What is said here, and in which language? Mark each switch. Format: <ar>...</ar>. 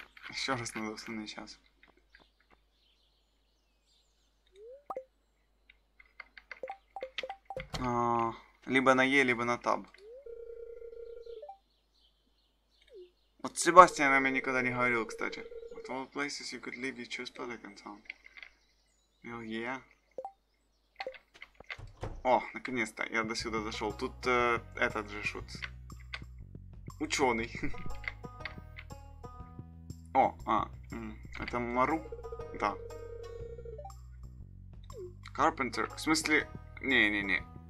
<ru>Еще раз надо установить сейчас. Либо на Е, либо на Таб. Вот Себастьян нам я никогда не говорил, кстати.</ru> <en>What all places you could leave, you choose Pelican Town. Well, yeah.</en> <ru>О, наконец-то, я до сюда зашел. Тут этот же шут. Ученый. О, а, это Мару? Да. Карпентер, в смысле... Не-не-не.</ru>